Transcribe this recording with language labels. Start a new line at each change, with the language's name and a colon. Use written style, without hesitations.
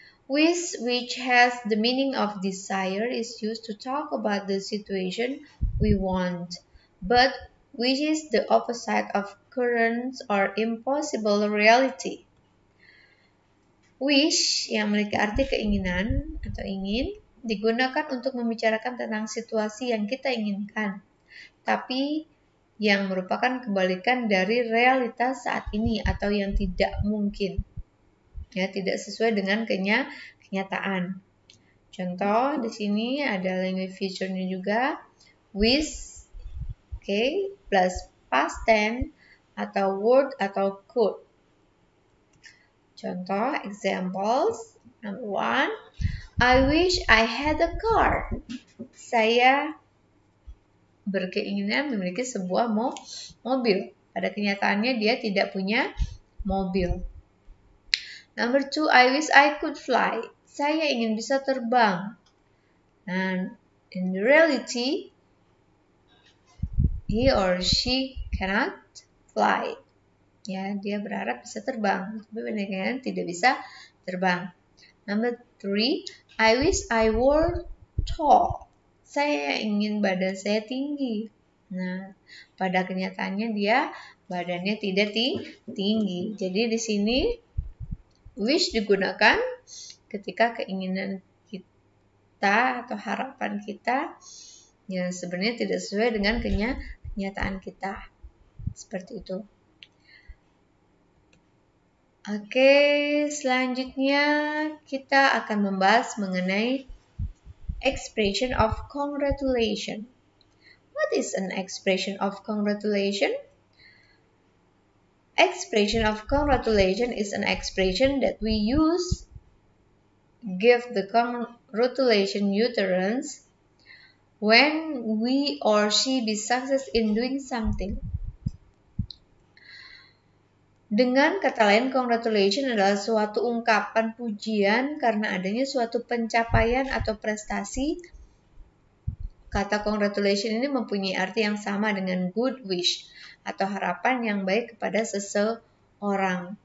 English: Wish, which has the meaning of desire, is used to talk about the situation we want. But which is the opposite of current or impossible reality?
Indonesian: Wish, yang memiliki arti keinginan atau ingin, digunakan untuk membicarakan tentang situasi yang kita inginkan, tapi yang merupakan kebalikan dari realitas saat ini atau yang tidak mungkin. Ya, tidak sesuai dengan kenyataan. Contoh di sini ada language feature-nya juga wish, okay, plus past tense atau would atau could. Contoh
English: examples, number one, I wish I had a car.
Indonesian: Saya berkeinginan memiliki sebuah mobil. Pada kenyataannya dia tidak punya mobil.
English: Number two, I wish I could fly.
Indonesian: Saya ingin bisa terbang.
English: And in reality, he or she cannot fly.
Indonesian: Ya, dia berharap bisa terbang. Tapi benar-benar tidak bisa terbang.
English: Number three, I wish I were tall.
Indonesian: Saya ingin badan saya tinggi. Nah, pada kenyataannya dia badannya tidak tinggi. Jadi di sini wish digunakan ketika keinginan kita atau harapan kita yang sebenarnya tidak sesuai dengan kenyataan kita. Seperti itu. Oke, selanjutnya kita akan membahas mengenai expression of congratulation.
English: What is an expression of congratulation? Expression of congratulation is an expression that we use give the congratulation utterance when we or she be success in doing something.
Indonesian: Dengan kata lain, congratulation adalah suatu ungkapan pujian karena adanya suatu pencapaian atau prestasi. Kata congratulation ini mempunyai arti yang sama dengan good wish atau harapan yang baik kepada seseorang.